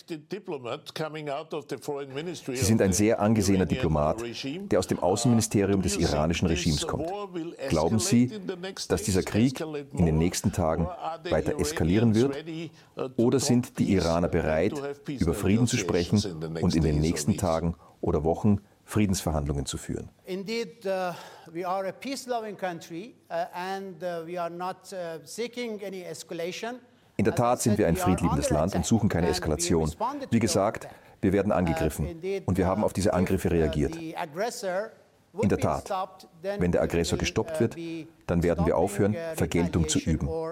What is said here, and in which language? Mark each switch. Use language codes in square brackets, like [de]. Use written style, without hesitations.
[de] Sie sind ein sehr angesehener Diplomat, der aus dem Außenministerium des iranischen Regimes kommt. Glauben Sie, dass dieser Krieg in den nächsten Tagen weiter eskalieren wird? Oder sind die Iraner bereit, über Frieden zu sprechen und in den nächsten Tagen oder Wochen Friedensverhandlungen zu führen? [en] Indeed, we are a peace-loving country and we are not seeking any escalation. [de] In der Tat sind wir ein friedliebendes Land und suchen keine Eskalation. Wie gesagt, wir werden angegriffen und wir haben auf diese Angriffe reagiert. In der Tat, wenn der Aggressor gestoppt wird, dann werden wir aufhören, Vergeltung zu üben.